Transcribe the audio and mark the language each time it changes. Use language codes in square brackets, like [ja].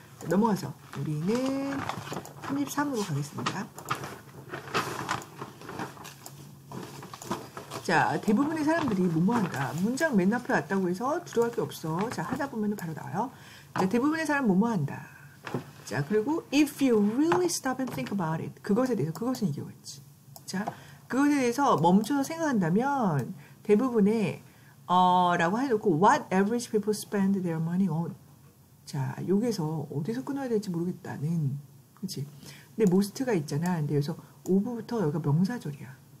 [ko] 넘어가서 우리는 33으로 가겠습니다. 자, 대부분의 사람들이 뭐뭐 한다. 문장 맨 앞에 왔다고 해서 두려워할 게 없어. 자, 하다 보면 바로 나와요. 자, 대부분의 사람 뭐뭐 한다. 자, 그리고 [en] if you really stop and think about it. [ko] 그것에 대해서, 그것은 이겨냈지. 자, 그것에 대해서 멈춰서 생각한다면 대부분의 라고 해놓고 [en] what average people spend their money on. [ko] 자, 여기서 어디서 끊어야 될지 모르겠다는, 그치? 근데 most가 있잖아. 근데 여기서 of부터 여기가 명사절이야.